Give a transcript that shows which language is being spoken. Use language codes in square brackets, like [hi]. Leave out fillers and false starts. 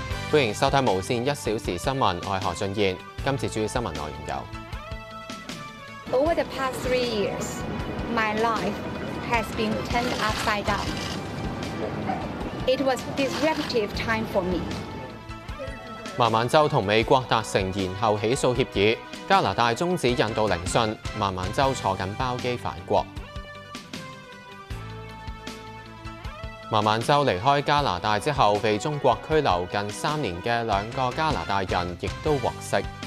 [yue] 欢迎收听无线一小时新闻，我是何俊彦。今次主要新闻内容有 [en] ：Over the past 3 years, my life has been turned upside down. It was a disruptive time for me. [yue] 孟晚舟同美国达成延后起诉协议，加拿大终止印度聆讯，孟晚舟坐紧包机返国。孟晚舟离开加拿大之后，被中国拘留近3年的两个加拿大人亦都获释。